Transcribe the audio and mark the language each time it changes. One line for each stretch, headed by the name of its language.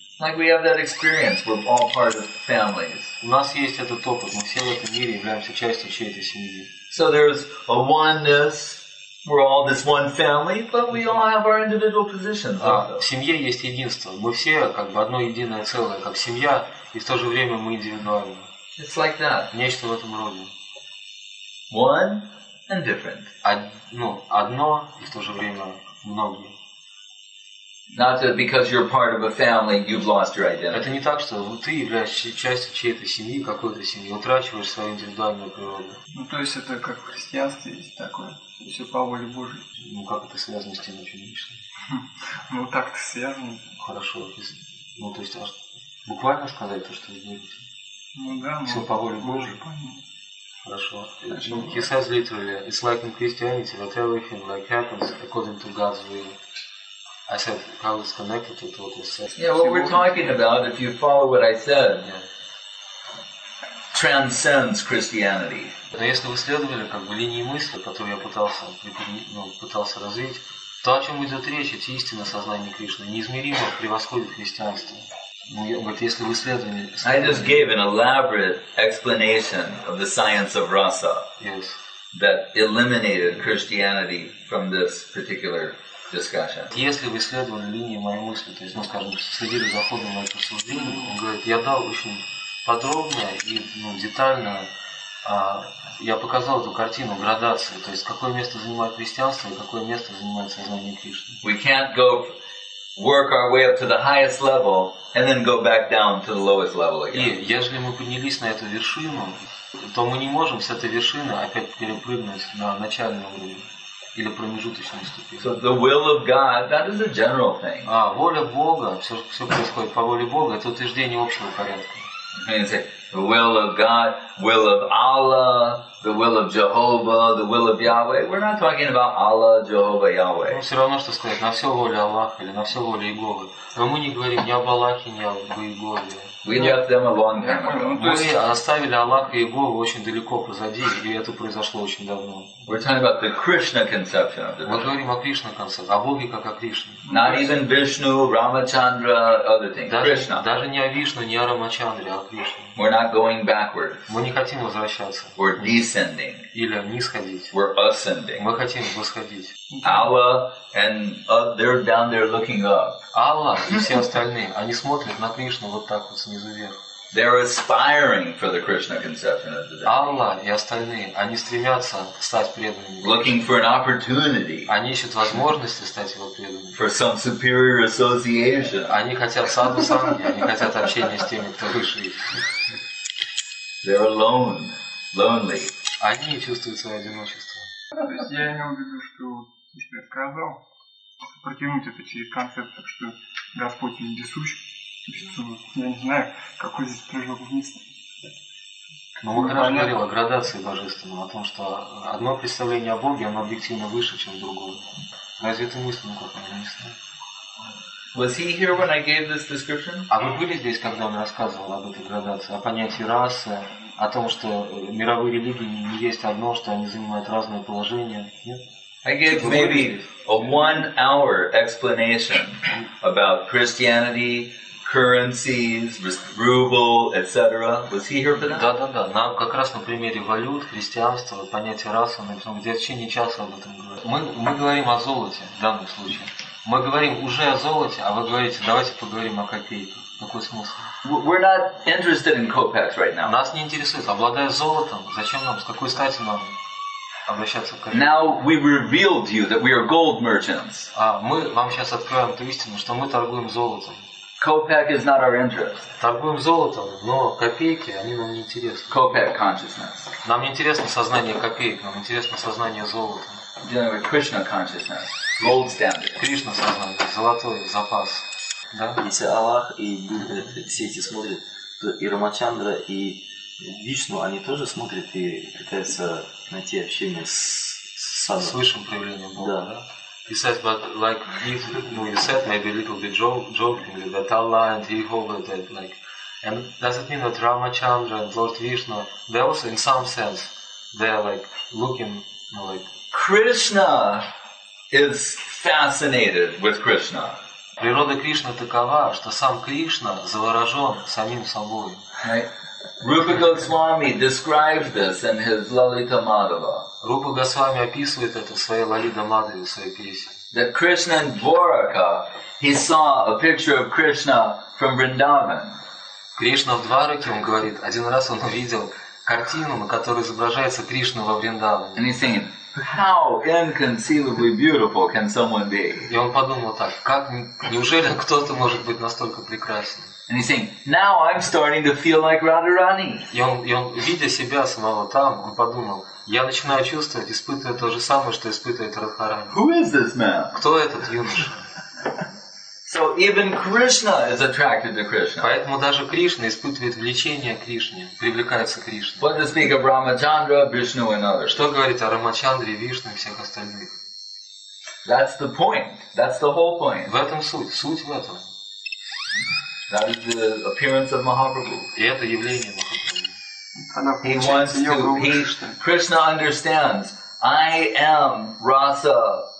English: Like we have that experience, we're all part of families.
Russian: У нас есть этот опыт, мы все в этом мире являемся частью чьей-то семьи.
English: So there's a oneness, we're all this one family, but we all have our individual positions.
Russian: Да, в семье есть единство, мы все как бы одно единое целое, как семья, и в то же время мы индивидуальны.
English: It's like that.
Russian: Нечто в этом роде.
English: One and different.
Russian: Одно и в то же время многие.
English: Not that because you're part of a family, you've lost your identity.
Russian: Это не так, что ты являешься частью чьей-то семьи, какой-то семьи, утрачиваешь свою индивидуальную природу. Ну то есть это как в христианстве есть такое, все по воле Божьей. Ну как это связано с тем, о чем мы? Ну так-то связано. Хорошо. Ну то есть буквально сказать то, что вы говорите. Ну да, все по воле Божьей. Хорошо.
English: He says literally, it's like in Christianity, that everything like happens according to God's will. I said, how it's connected to what you said. Yeah, what we're talking about, if you follow what I said, transcends Christianity.
Russian: Но если вы следовали как бы линии мысли, которую я пытался развить, то о чем идет речь, это истина сознания Кришны, неизмеримо превосходит христианство. Вот если вы следовали.
English: I just gave an elaborate explanation of the science of rasa. Yes. That eliminated Christianity from this particular.
Russian: Если вы следовали линии моей мысли, то есть, ну, скажем, следили за ходом моих рассуждений, он говорит, я дал очень подробно и детально, я показал эту картину, градацию, то есть, какое место занимает христианство и какое место занимает сознание Кришны.
English: We can't go work our way up to the highest level and then go back down to the lowest level again.
Russian: И если мы поднялись на эту вершину, то мы не можем с этой вершины опять перепрыгнуть на начальный уровень. Или промежуточной ступени.
English: So the will of God, that is a general thing.
Russian: А, воля Бога, все происходит по воле Бога, это утверждение общего порядка.
English: Say, the will of God, will of Allah, the will of Jehovah, the will of Yahweh. We're not talking about Allah, Jehovah, Yahweh.
Russian: Но все равно, что сказать, на все воля Аллаха или на все воля Иеговы. Но мы не говорим ни об Аллахе, ни об Иегове. Мы оставили Аллах и Его очень далеко позади, и это произошло очень давно.
English: We're talking about the Krishna conception of the Krishna.
Russian: Мы говорим о Кришна концепции, о Боге как о Кришне.
English: Not even Vishnu, Ramachandra, other things. Krishna.
Russian: Даже не о Вишну, не о Рамачандре, а о Кришне.
English: We're not going backwards.
Russian: Мы не хотим возвращаться.
English: We're descending.
Russian: Или нисходить.
English: We're ascending.
Russian: Мы хотим восходить.
English: Allah and they're down there looking up.
Russian: Аллах и все остальные, они смотрят на Кришну вот так вот снизу вверх.
English: They're aspiring for the Krishna conception of the deity.
Russian: Аллах и остальные, они стремятся стать преданными.
English: Looking for an opportunity.
Russian: Они ищут возможности стать его преданными.
English: For some superior association.
Russian: Они хотят саду-санги, они хотят общения с теми, кто выше их.
English: They're alone, lonely.
Russian: Они чувствуют свое одиночество. То есть я имел в виду, что ты сказал, протянуть это через концепт, так что Господь вездесущ. Я не знаю, какой здесь прыжок вниз. Но Махарадж говорил о градации божественного, о том, что одно представление о Боге, оно объективно выше, чем другое. Разве ты мысленно как-то не знаю?
English: Was he here when I gave this description?
Russian: А вы были здесь, когда он рассказывал об этой градации, о понятии расы, о том, что мировые религии не есть одно, что они занимают разные положения?
English: I gave maybe a one-hour explanation about Christianity, currencies, ruble, etc. Was he here for that?
Russian: Да, да, да. Нам как раз на примере валют, христианства, понятия расы, мы в течение часа об этом говорим. Мы говорим о золоте в данном случае. Мы говорим уже о золоте, а вы говорите, давайте поговорим о копейках. Какой смысл?
English: We're not interested in kopecks right now.
Russian: Нас не интересует, обладая золотом, зачем нам, с какой стати нам обращаться к копейкам?
English: Now we revealed you that we are gold merchants.
Russian: А мы вам сейчас откроем ту истину, что мы торгуем золотом.
English: Kopeck is not our interest.
Russian: Торгуем золотом, но копейки, они нам не интересны.
English: Kopeck consciousness.
Russian: Нам не интересно сознание копеек, нам интересно сознание золота.
English: Dealing with Krishna consciousness. Gold standard.
Russian: Кришна сознание, золотой запас. Да? Если Аллах и все эти смотрят, то и Рамачандра, и Вишну, они тоже смотрят и пытаются найти общение с высшим проявлением Бога. Да. Да?
English: He says, but like if, you know, you said maybe a little bit jokingly that Allah and Jehovah, that like, and does it mean that Ramachandra and Lord Vishnu, they also in some sense, they are like looking, you know, like... Krishna is fascinated with Krishna.
Russian: Природа Кришны такова, что сам Кришна заворожен самим собой.
English: Rupa Goswami describes this in his Lalita Madhava.
Russian: Rupa Goswami описывает это в своей Лалита Мадхаве, в своей песне.
English: That Krishna in Dvaraka, he saw a picture of Krishna from Vrindavan.
Russian: Кришна в Двараке, он говорит, один раз он увидел картину, на которой изображается Кришна во Вриндаване.
English: And he's thinking, how inconceivably beautiful can someone be?
Russian: И он подумал так, как неужели кто-то может быть настолько прекрасен?
English: And he's saying, now I'm starting to feel like Radharani.
Russian: И он, видя себя самого там, он подумал, я начинаю чувствовать, испытывая то же самое, что испытывает Радхарани.
English: Who is this man?
Russian: Кто этот юноша?
English: So even Krishna is attracted to Krishna.
Russian: Поэтому даже Кришна испытывает влечение к Кришне, привлекается к Кришне.
English: What to speak of Ramachandra, Vishnu and others?
Russian: Что говорить о Рамачандре, Вишну и всех остальных?
English: That's the point. That's the whole point.
Russian: В этом суть. Суть в этом.
English: That is the appearance of Mahaprabhu.
Russian: И это явление Махапрабху.
English: He wants to. Krishna understands. I am rasa.